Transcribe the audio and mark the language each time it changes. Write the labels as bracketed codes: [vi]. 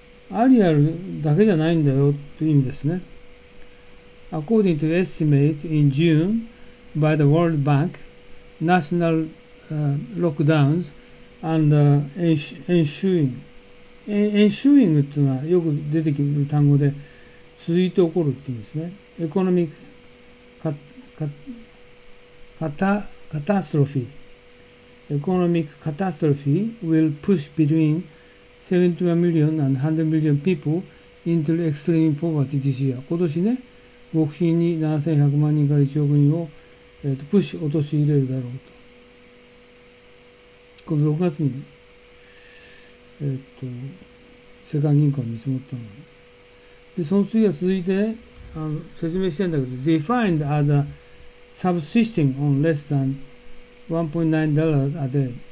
[ja] アリアルだけじゃないんだよという意味ですね。 [en] According to estimate in June by the World Bank, national lockdowns and ensuing [ja] っていうのはよく出てくる単語で、続いて起こるっていうんですね。 [en] エコノミックカタストロフィー。エコノミックカタストロフィー will push between 71 million and 100 million people into extreme poverty this year。 [ja] 今年ね、極貧に7100万人から1億人を、プッシュ、落とし入れるだろうと。この6月に、世界銀行を見積もったの。で、その次は続いて、ね、説明してるんだけど、 [en] defined as a subsisting on less than $1.9 a day。